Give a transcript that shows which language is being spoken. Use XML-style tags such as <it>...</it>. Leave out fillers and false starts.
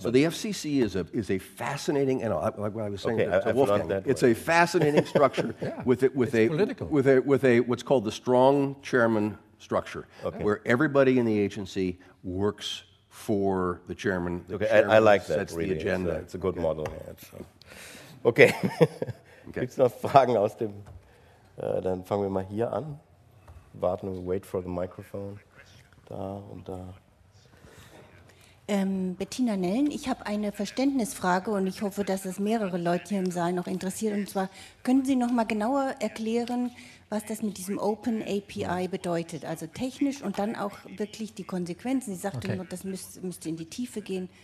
<en>So the FCC is a fascinating, and like what I was saying, okay, to Wolfgang, it's a fascinating structure with what's called the strong chairman structure, where everybody in the agency works for the chairman. I like that. Sets the agenda. It's a good model. Okay.</en> <de>Gibt's noch Fragen aus dem? Dann fangen wir mal hier an. Warten,</de> <en>wait for the microphone.</en> <de>Da und da. Bettina Nellen, ich habe eine Verständnisfrage und ich hoffe, dass es mehrere Leute hier im Saal noch interessiert. Und zwar, können Sie noch mal genauer erklären, was das mit diesem Open API bedeutet? Also technisch und dann auch wirklich die Konsequenzen. Sie sagte nur, das müsste in die Tiefe gehen.</de>